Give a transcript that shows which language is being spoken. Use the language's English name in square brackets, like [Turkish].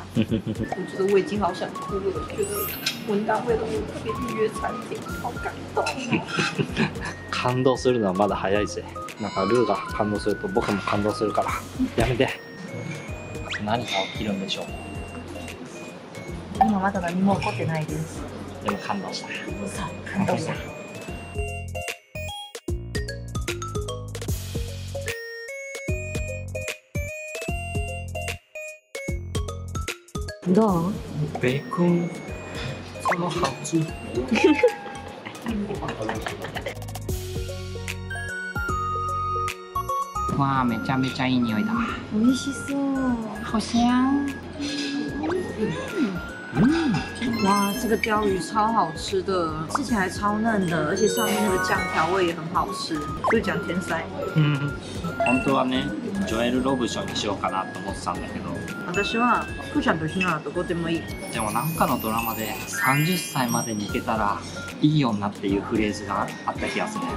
[Chinese] 我觉得我已经好想哭了，觉得文丹为了我特别预约餐厅，好感动、啊。 [Japanese] 感动するのはまだ早いぜ。なんかルーが感动すると僕も感动するから。やめて。何が起きるんでしょう。今まだ何も起こってないです。でも感動した。そう、感動した。どう？ベーコン、そのハチ。わあ、めちゃめちゃいい匂いだ。美味しそう。 [Chinese] 好香。哇，这个鲷鱼超好吃的，吃起来超嫩的，而且上面那个酱调味也很好吃。就讲天塞。 [Japanese] 嗯，本当はね、ジョエル・ロブションにしようかなと思ってたんだけど。私は福ちゃんと一緒ならどこでもいい。でもなんかのドラマで30歳までに行けたらいい女っていうフレーズがあった気がする。